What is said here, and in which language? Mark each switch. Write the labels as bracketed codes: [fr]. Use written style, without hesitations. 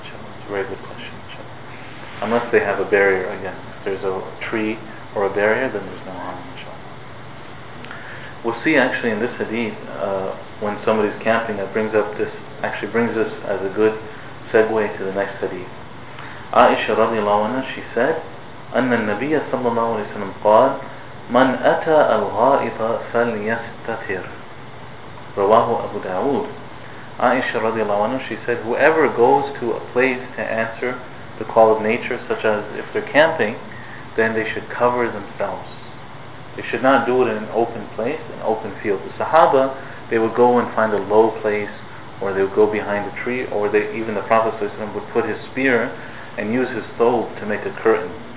[en] It's a very good question. Unless they have a barrier again. If there's a tree or a barrier, then there's no harm, inshallah. We'll see actually in this hadith, when somebody's camping, that brings up this, actually brings us as a good segue to the next hadith. Aisha radiallahu anha, she said, [ar] أَنَّ النَّبِيَّ صلى الله عليه وسلم قال, مَنْ أَتَى الْغَائِطَ فَلْيَسْتَتِرْ رواه أبو داود. [en] Aisha radiallahu anha, she said, whoever goes to a place to answer the call of nature, such as if they're camping, then they should cover themselves. They should not do it in an open place, an open field. The Sahaba, they would go and find a low place, or they would go behind a tree, or they, even the Prophet ﷺ would put his spear and use his thobe to make a curtain.